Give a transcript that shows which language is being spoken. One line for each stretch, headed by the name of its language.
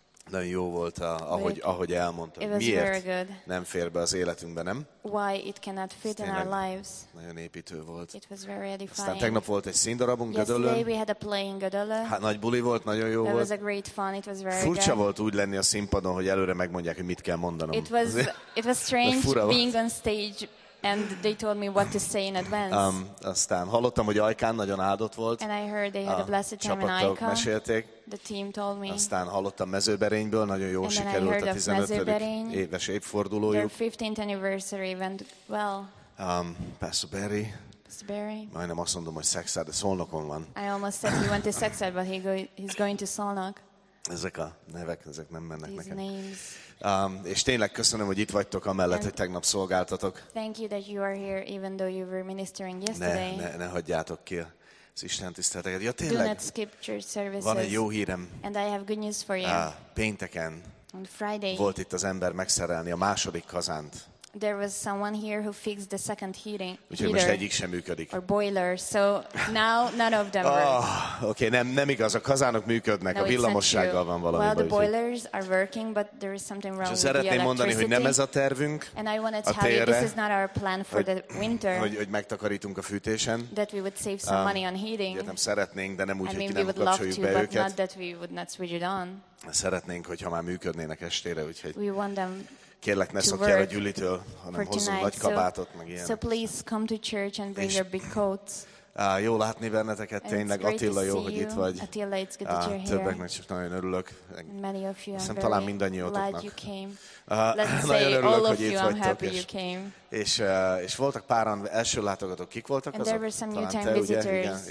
Hungarian: Nagyon jó volt, ahogy elmondtad. Miért nem fér be az életünkbe, nem?
English: Why it cannot fit in our lives.
Hungarian: Nagyon építő volt.
English: It was very edifying.
Hungarian: Aztán tegnap volt egy színdarabunk
English: Gödöllön. Yesterday we had a play in Gödöllön.
Hungarian: Hát nagy buli volt, nagyon jó
English: that
Hungarian: volt.
English: It was a great fun. It was very
Hungarian: furcsa
English: good.
Hungarian: Furcsa volt úgy lenni a színpadon, hogy előre megmondják, hogy mit kell mondanom.
English: It was strange being on stage. And they told me what to say in advance.
Hungarian: Aztán hallottam, hogy Ajkán nagyon áldott volt.
English: And I heard they had a blessed time in Ajka.
Hungarian: Mesélték.
English: The team told me.
Hungarian: Aztán hallottam Mezőberényből, nagyon jó sikerült a 15. éves évfordulójuk.
English: Their 15th anniversary went well. Pastor Barry. Pastor Barry.
Hungarian: Majdnem azt mondom, hogy Szexárd, de Szolnokon van.
English: I almost said he went to Szexárd, but he's going to Szolnok.
Hungarian: Ezek a nevek, ezek nem mennek
English: these
Hungarian: nekem.
English: Names.
Hungarian: És tényleg köszönöm, hogy itt vagytok amellett, hogy tegnap szolgáltatok.
English: Thank you that you are here even though you were ministering yesterday.
Hungarian: Ne hagyjátok ki az Isten tiszteleteket. Ja, tényleg.
English: Do not skip church services.
Hungarian: Van egy jó hírem.
English: And I have good news for you.
Hungarian: Pénteken.
English: On Friday.
Hungarian: Volt itt az ember megszerelni a második kazánt.
English: There was someone here who fixed the second heating.
Hungarian: Úgyhogy most egyik sem működik.
English: Or boiler. So now none of them work.
Hungarian: Okay, nem igaz, a kazánok működnek,
English: no,
Hungarian: a villamossággal van valami baj.
English: Well, the boilers are working, but there is something wrong with the electricity.
Hungarian: Szeretném mondani, hogy nem ez a tervünk.
English: And I wanted to tell you this is not our plan for the winter.
Hungarian: Hogy megtakarítunk a fűtésen.
English: That we would save some money on heating.
Hungarian: Igen, nem szeretnénk, de nem úgy,
English: I mean,
Hungarian: hogy nem kapcsoljuk be őket.
English: Not that we would not switch it on.
Hungarian: Szeretnénk, hogyha már működnének estére, úgyhogy.
English: We want them.
Hungarian: Kérlek, ne szokj el a Gyülitől, hanem hozzunk nagy kabátot,
English: so,
Hungarian: meg ilyen.
English: So please come to church and bring your big coats.
Hungarian: Jó látni benneteket, tényleg. Attila, jó, hogy itt vagy.
English: Attila, it's good that you're here.
Hungarian: Többeknek csak nagyon örülök.
English: Many of you,
Hungarian: hiszem, talán mindannyiótoknak.
English: Glad you came.
Hungarian: Nagyon örülök, hogy itt vagytok.
English: Happy you came.
Hungarian: És voltak páran első látogatók, kik voltak
English: and
Hungarian: azok?
English: There were some new time visitors.